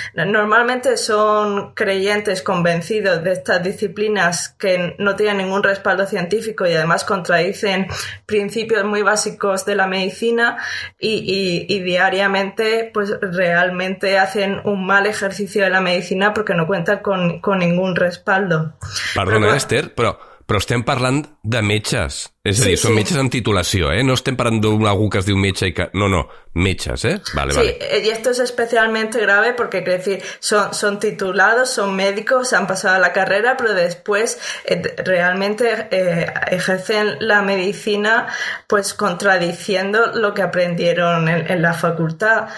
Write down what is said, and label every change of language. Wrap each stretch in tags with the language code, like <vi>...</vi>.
<es>Normalmente son creyentes convencidos de estas disciplinas que no tienen ningún respaldo científico y además contradicen principios muy básicos de la medicina y diariamente pues realmente hacen un mal ejercicio de la medicina porque no cuentan con ningún respaldo.</es> <ca>Perdona, pero, Esther, però estem parlant de metges. És a dir, sí, són metges amb titulació, eh? No estem parlant d'algú que es diu metge i que... No, metges, eh? Vale, sí, vale.</ca> <es>Y esto es especialmente grave porque, quiero decir, son titulados, son médicos, han pasado la carrera, pero después realmente ejercen la medicina pues contradiciendo lo que aprendieron en la facultad.</es>